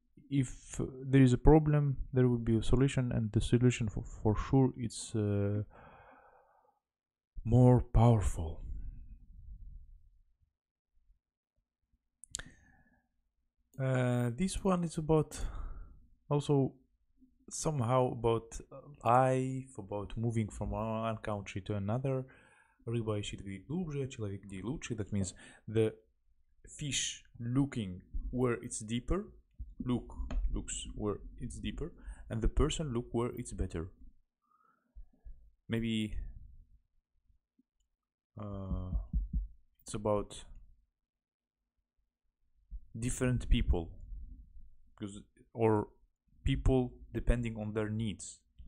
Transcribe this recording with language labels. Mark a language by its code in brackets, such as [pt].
[en] If there is a problem, there will be a solution, and the solution for sure it's more powerful. This one is about also somehow about life, about moving from one country to another. [ru] Рыба ищет где глубже, человек где лучше. [en] That means the fish looking where it's deeper. Looks where it's deeper, and the person look where it's better. Maybe it's about different people, because or people depending on their needs.